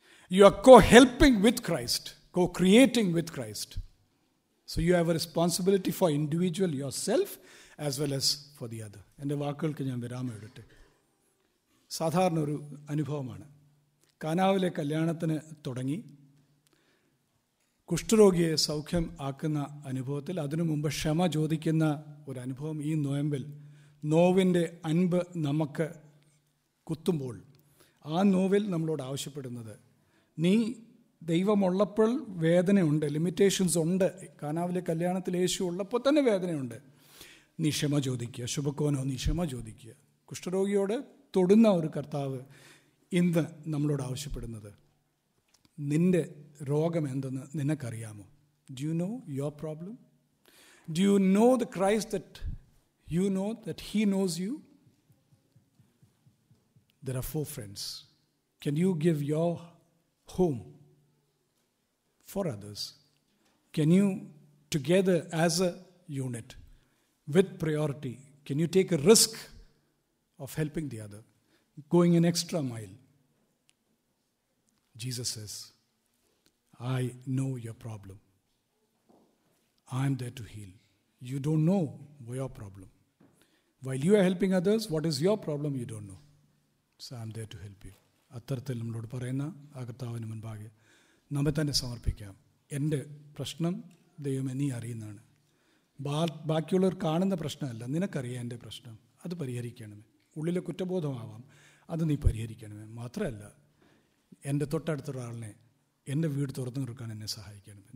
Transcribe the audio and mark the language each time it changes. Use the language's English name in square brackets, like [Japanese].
[English] You are co-helping with Christ, co-creating with Christ. So you have a responsibility for individual yourself as well as for the other. [Malayalam] എൻ്റെ വാക്കുകൾക്ക് ഞാൻ വിരാമം എടുത്തു. സാധാരണ ഒരു അനുഭവമാണ്. കാനാവിലെ കല്യാണത്തിന് തുടങ്ങി കുഷ്ഠരോഗിയെ സൗഖ്യം ആക്കുന്ന അനുഭവത്തിൽ, അതിനു മുമ്പ് ക്ഷമ ചോദിക്കുന്ന ഒരു അനുഭവം ഈ നോയമ്പിൽ, നോവിൻ്റെ അൻപ് നമുക്ക് കുത്തുമ്പോൾ ആ നോവിൽ നമ്മളോട് ആവശ്യപ്പെടുന്നത്, നീ ദൈവമുള്ളപ്പോൾ വേദനയുണ്ട്, ലിമിറ്റേഷൻസ് ഉണ്ട്. കാനാവിലെ കല്യാണത്തിൽ യേശു ഉള്ളപ്പോൾ തന്നെ വേദനയുണ്ട്. നീ ക്ഷമ ചോദിക്കുക, ശുഭക്കോനോ, നീ ക്ഷമ ചോദിക്കുക. കുഷ്ഠരോഗിയോട് തൊടുന്ന ഒരു കർത്താവ് ഇന്ന് നമ്മളോട് ആവശ്യപ്പെടുന്നത്, നിൻ്റെ രോഗം എന്തെന്ന് നിനക്കറിയാമോ? [English] Do you know your problem? Do you know the Christ that you know that he knows you? There are four friends. Can you give your home for others? Can you together as a unit with priority, can you take a risk of helping the other, going an extra mile? Jesus says, I know your problem. I am there to heal. You don't know your problem. While you are helping others, what is your problem? You don't know. So I am there to help you. [Malayalam] അത്തരത്തിൽ നമ്മളോട് പറയുന്ന ആകർത്താവിന് മുൻപാകെ നമ്മെ തന്നെ സമർപ്പിക്കാം. എൻ്റെ പ്രശ്നം ദൈവമേ നീ അറിയുന്നതാണ്. ബാക്കിയുള്ളവർ കാണുന്ന പ്രശ്നമല്ല, നിനക്കറിയാം എൻ്റെ പ്രശ്നം. അത് പരിഹരിക്കണമേ. ഉള്ളിലെ കുറ്റബോധമാവാം, അത് നീ പരിഹരിക്കണമേ. മാത്രമല്ല, എൻ്റെ തൊട്ടടുത്തൊരാളിനെ എൻ്റെ വീട് തുറന്നു നിൽക്കാൻ എന്നെ സഹായിക്കണമേ.